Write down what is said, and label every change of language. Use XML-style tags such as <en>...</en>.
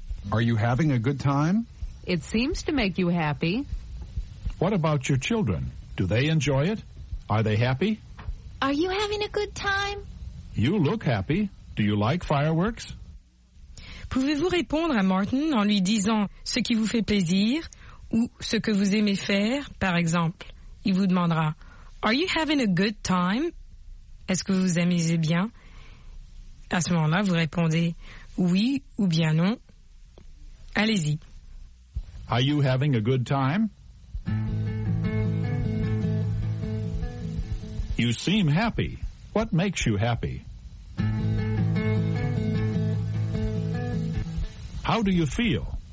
<en>Are you having a good time? It seems to make you happy. What about your children? Do they enjoy it? Are they happy? Are you having a good time? You look happy. Do you like fireworks?</en> <fr>Pouvez-vous répondre à Martin en lui disant ce qui vous fait plaisir ou ce que vous aimez faire, par exemple? Il vous demandera,</fr> <en>Are you having a good time?</en> <fr>Est-ce que vous vous amusez bien? À ce moment-là, vous répondez oui ou bien non. Allez-y.</fr> <en>Are you having a good time? You seem happy. What makes you happy? How do you feel?</en>